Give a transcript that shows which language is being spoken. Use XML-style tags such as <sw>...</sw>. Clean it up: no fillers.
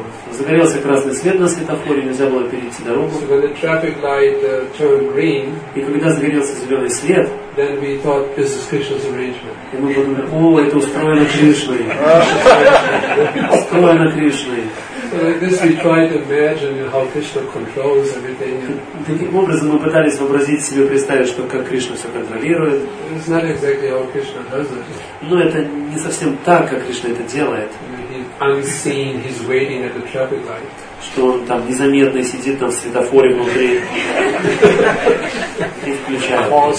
<ru>Загорелся красный свет на светофоре, нельзя было перейти дорогу.</ru> <en>So when the traffic light turned green,</en> <ru>и когда загорелся зеленый свет,</ru> <en>then we thought this is Krishna's arrangement.</en> <ru>И мы подумали, о, это устроено Кришной. Устроено Кришной.</ru> <en>So like this, we try to imagine how Krishna controls everything.</en> <ru>Таким образом мы пытались вообразить себе, представить, что как Кришна все контролирует.</ru> <en>It's not exactly how Krishna does it.</en> <ru>Но это не совсем так, как Кришна это делает.</ru> <en>Unseen, he's waiting at the traffic light.</en> <ru>Что он там незаметно сидит там в светофоре внутри и включает.</ru>